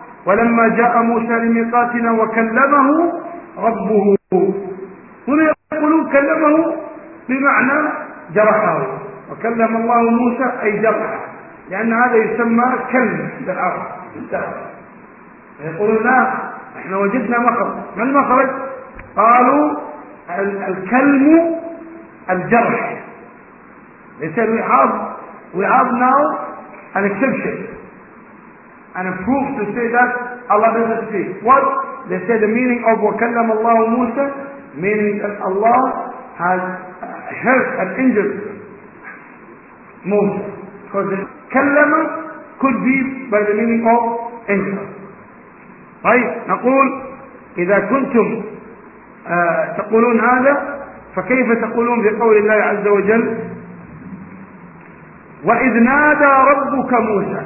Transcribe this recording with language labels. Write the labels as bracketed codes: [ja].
[ar] ولما جاء موسى لميقاتنا وكلمه ربه، هنا يقولون كلمه بمعنى جرحه، وكلم الله موسى أي جرحه، لأن هذا يسمى كلم عند العرب. يقولون لا احنا وجدنا مخرج، ما المخرج؟ قالوا الكلم الجرح، ليس الوعاظ. [en] We have now an exception and a proof to say that Allah doesn't speak. What? They say the meaning of [ar] وكلم الله موسى [en] meaning that Allah has hurt and injured موسى. Because كلم could be by the meaning of injury. [ar] طيب نقول إذا كنتم تقولون هذا فكيف تقولون بقول الله عز وجل وإذ نادى ربك موسى.